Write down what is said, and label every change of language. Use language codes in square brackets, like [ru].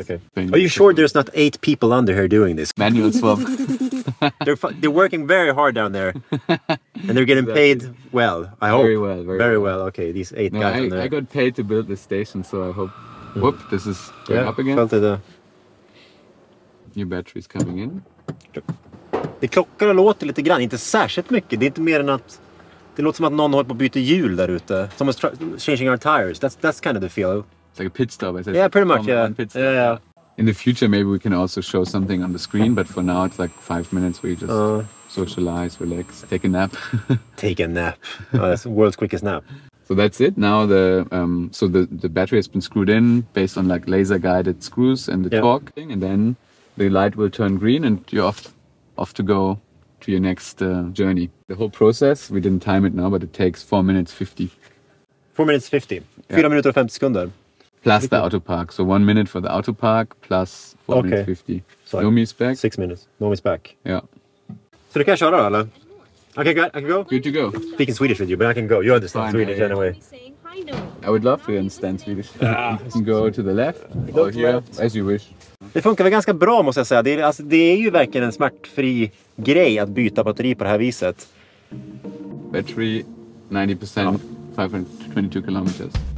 [en] Okay. Are you sure there's not 8 people under here doing this? Manual swap. they're working very hard down there. And they're getting paid well, I hope. Very well. Okay, these 8 guys under there. I got paid to build this station, so I hope... Whoop, this is going up again. Felt it, new battery's coming in. [sv] Det klockar och låter lite grann, inte särskilt mycket. Det är inte mer än att... Det låter som att någon håller på att byta hjul där ute. [en] Someone's changing our tires. That's kind of the feel. It's like a pit stop. Yeah, pretty much, In the future, maybe we can also show something on the screen, but for now it's like 5 minutes where you just socialize, relax, take a nap. Take a nap. Oh, that's the world's quickest nap. So that's it. Now the battery has been screwed in based on like laser guided screws and the torque thing, and then the light will turn green and you're off to go to your next journey. The whole process, we didn't time it now, but it takes 4 minutes 50. 4 minutes 50. Yeah. 4 minutes 50 seconds. Plus the auto park. So 1 minute for the auto park plus 4 minutes 50. Sorry. No miss back. 6 minutes. No miss back. Yeah. So the cash out, Alan. Okay, good. I can go. Good to go. Speaking Swedish with you, but I can go. You understand Swedish anyway. I would love to understand Swedish. You can go to the left or here, as you wish. [sv] Det funkar väl ganska bra, måste jag säga. Det är ju verkligen en smärtfri grej att byta batteri på det här viset. [en] Battery 90% 522 kilometers.